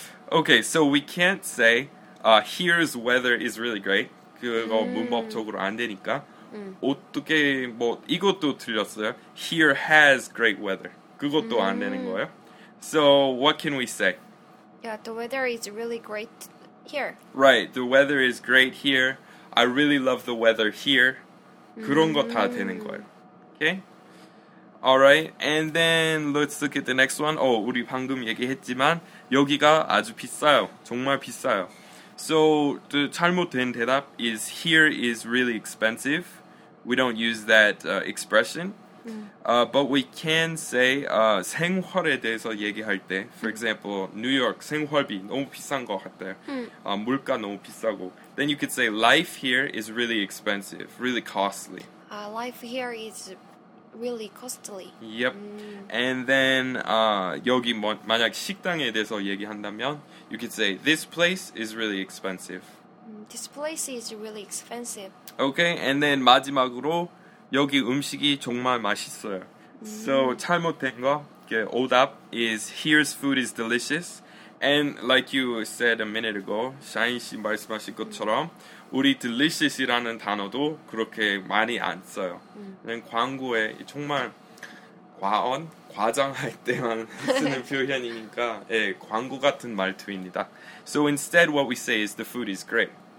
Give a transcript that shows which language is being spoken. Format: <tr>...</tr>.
<en>Okay, so we can't say, here's weather is really great.</en> <ko>그거 문법적으로 안 되니까. 어떻게, 뭐, 이것도 틀렸어요.</ko> <en>Here has great weather.</en> <ko>그것도 안 되는 거예요.</ko> <en>So, what can we say? Yeah, the weather is really great here. Right, the weather is great here. I really love the weather here.</en> <ko>그런 거 다 되는 거예요.</ko> <en>Okay? Alright, and then let's look at the next one. Oh,</en> <ko>우리 방금 얘기했지만 여기가 아주 비싸요. 정말 비싸요.</ko> <en>So, the</en> <ko>잘못된 대답</ko> <en>is here is really expensive. We don't use that expression. But we can say</en> <ko>생활에 대해서 얘기할 때,</ko> <en>for example, New York</en> <ko>생활비 너무 비싼 것 같아요. 물가 너무 비싸고.</ko> <en>Then you could say life here is really expensive, really costly. Life here is... Really costly. Yep. And then,</en> <ko>여기 뭐, 만약 식당에 대해서 얘기한다면,</ko> <en>you could say, this place is really expensive. This place is really expensive. Okay, and then</en> <ko>마지막으로, 여기 음식이 정말 맛있어요.</ko> <en>So,</en> <ko>잘못된 거, 이렇게 오답</ko> <en>is, here's food is delicious. And like you said a minute ago,</en> <ko>샤인 씨 말씀하신 것처럼, 우리 delicious이라는 단어도 그렇게 많이 안 써요. 그냥 광고에 정말 과언, 과장할 때만 쓰는 표현이니까 예, 광고 같은 말투입니다.</ko> <en>So instead what we say is the food is great.</en>